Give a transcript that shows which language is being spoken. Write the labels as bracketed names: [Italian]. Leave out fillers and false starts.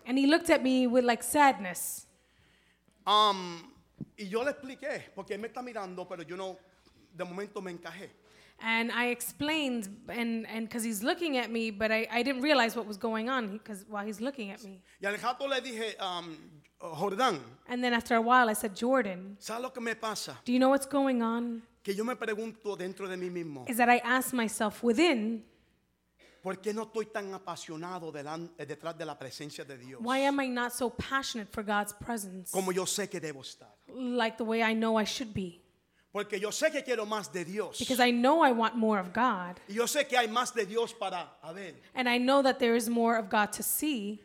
[English] And he looked at me with like sadness. [Spanish] Y yo le expliqué porque él me está mirando, pero yo no, de momento me encajé. [English] And I explained and because he's looking at me, but I didn't realize what was going on while he's looking at me. [Spanish] Y al rato le dije, Jordan. [English] And then after a while I said, Jordan. [Spanish] ¿Sabes lo que me pasa? [English] Do you know what's going on? [Spanish] Que yo me pregunto dentro de mí mismo. [English] Is that I ask myself within. [Spanish] ¿Por qué no estoy tan apasionado detrás de la presencia de Dios? [English] Why am I not so passionate for God's presence? [Spanish] Como yo sé que debo estar. [English] Like the way I know I should be. [Spanish] Porque yo sé que quiero más de Dios. [English] Because I know I want more of God. [Spanish] Y yo sé que hay más de Dios para ver. [English] And I know that there is more of God to see.